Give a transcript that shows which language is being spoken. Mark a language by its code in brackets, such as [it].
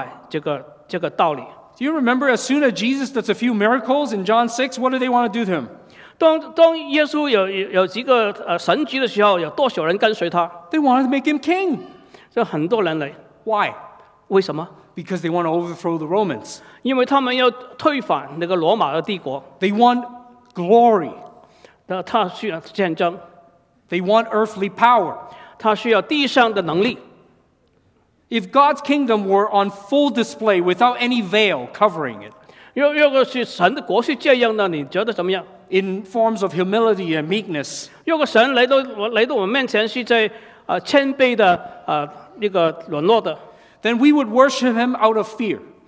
[en] Do you remember as soon as Jesus does a few miracles in John 6, what do they want to do to him? [zh] 当耶稣有几个神迹的时候，有多少人跟随他？ [en] They wanted to make him king. [zh] 就很多人来。 [en] Why? [zh] 为什么？ [en] Because they want to overthrow the Romans. [zh] 因为他们要推翻那个罗马的帝国。 [en] They want glory. [zh] 他需要战争, [en] they want earthly power. [zh] 他需要地上的能力. [en] If God's kingdom were on full display without any veil covering it, [zh] 如果是神的国是这样的，你觉得怎么样？ [en] In forms of humility and meekness, [zh] 如果神来到我们面前是在谦卑的那个软弱的, [en] then we would worship him out of fear.